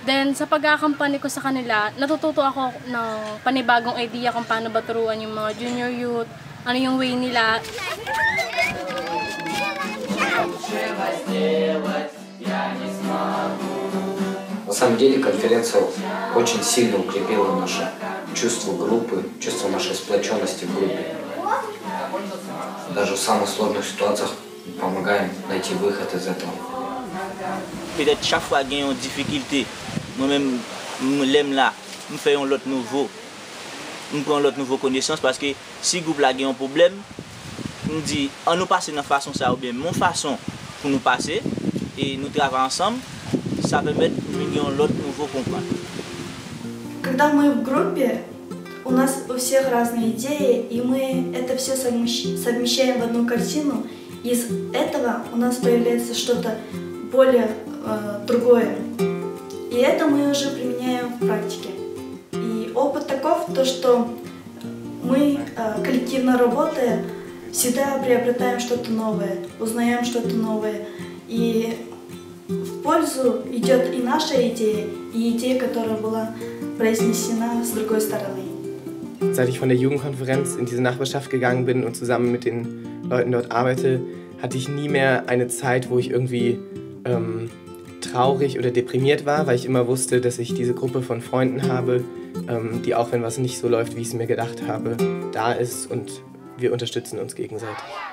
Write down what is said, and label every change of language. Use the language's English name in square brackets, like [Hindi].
[Filipino] Then sa pag-aakampanin ko sa kanila, natututo ako ng panibagong idea kung paano ba turuan yung mga junior youth, ano yung way nila. [Russian] На самом деле конференция очень сильно укрепила наше чувство группы, чувство нашей сплоченности в группе. Даже в самых сложных ситуациях помогаем найти выход из этого. [French] Peut-être chaque fois qu'il y a une difficulté, moi-même, l'aime là, nous faisons l'autre nouveau, nous prenons l'autre nouveau connaissance parce que si le groupe là a un problème, nous dit on nous passe dans la façon ça ou bien mon façon pour nous passer et nous travaillons ensemble. Ça permet de nous donner un autre nouveau comprendre. [Russian] Когда мы в группе, у нас у всех разные идеи, и мы это все совмещаем в одну картину. Из этого у нас появляется что-то более другое. И это мы уже применяем в практике. И опыт таков, то, что мы, коллективно работая, всегда приобретаем что-то новое, узнаем что-то новое. И в пользу идет и наша идея, и идея, которая была произнесена с другой стороны. [German] Seit ich von der Jugendkonferenz in diese Nachbarschaft gegangen bin und zusammen mit den Leuten dort arbeite, hatte ich nie mehr eine Zeit, wo ich irgendwie traurig oder deprimiert war, weil ich immer wusste, dass ich diese Gruppe von Freunden habe, die auch wenn was nicht so läuft, wie ich es mir gedacht habe, da ist und wir unterstützen uns gegenseitig.